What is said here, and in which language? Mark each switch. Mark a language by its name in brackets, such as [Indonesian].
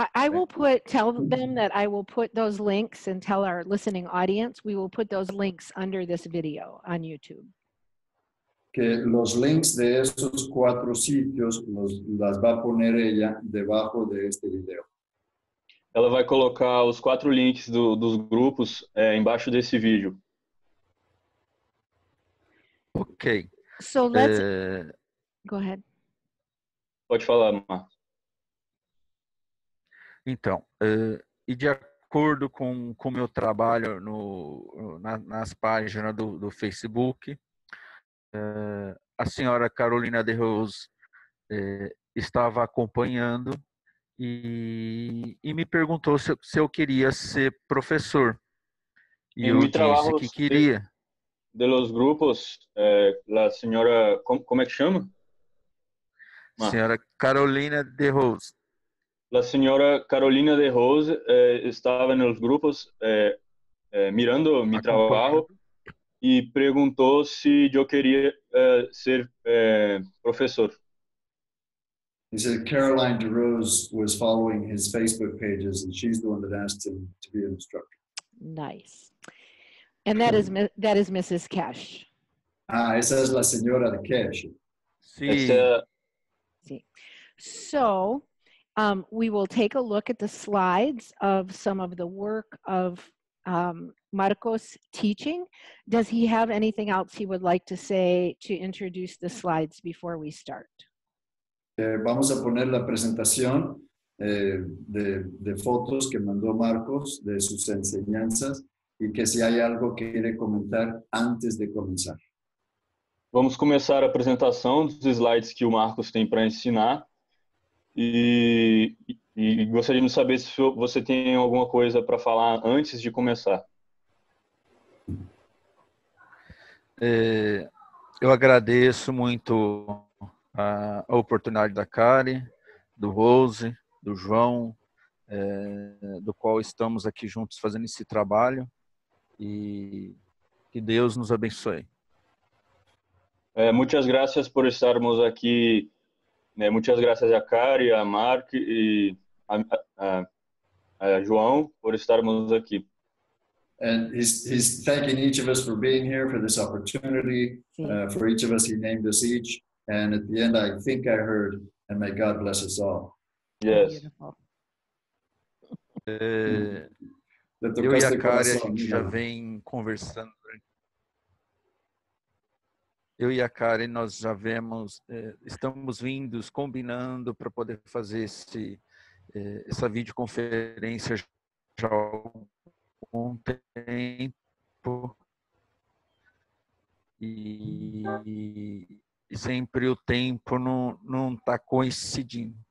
[English] I will put those links and tell our listening audience, we will put those links under this video on YouTube. [Spanish] Que los links de esos 4 sitios las va a poner ella debajo de este video. [Portuguese] Ela vai colocar os 4 links dos grupos embaixo desse vídeo. [English] Ok. So let's... Go ahead. [Portuguese] Pode falar, Marcos. Então, e de acordo com o meu trabalho nas páginas do Facebook, a senhora Carolina de Rose estava acompanhando e me perguntou se eu queria ser professor. E eu disse que queria. [Spanish] De los grupos, la [Portuguese] senhora, como é que chama? Senhora Carolina de Rose. A senhora Carolina de Rose estava nos grupos mirando meu trabalho e perguntou se eu queria ser professor. [English] He said Caroline de Rose was following his Facebook pages and she's the one that asked him to be an instructor. Nice. And that is Mrs. Cash. [Portuguese] Ah, essa é a senhora de Cash. Sim. Sim. [English] So, we will take a look at the slides of some of the work of Marcos teaching. Does he have anything else he would like to say to introduce the slides before we start? [Spanish] Vamos a poner la presentación de fotos que mandó Marcos de sus enseñanzas y que si hay algo que quiere comentar antes de comenzar. [Portuguese] Vamos começar a apresentação dos slides que o Marcos tem para ensinar. E gostaria de saber se você tem alguma coisa para falar antes de começar. Eu agradeço muito a oportunidade da Kari, do Rose, do João, do qual estamos aqui juntos fazendo esse trabalho, e que Deus nos abençoe. [Spanish] Muchas gracias por [Portuguese] estarmos aqui, né? [Spanish] Muchas gracias a Kari, a Mark [Portuguese] e a João por estarmos aqui. [English] And he's thanking each of us for being here, for this opportunity, for each of us he named us each. And at the end, I think I heard, and may God bless us all. Yes. [Portuguese] Eu e a Kari, a gente já vem conversando. Eu e a Kari, nós já vemos, estamos vindo, combinando para poder fazer essa videoconferência já um tempo, e sempre o tempo não está coincidindo.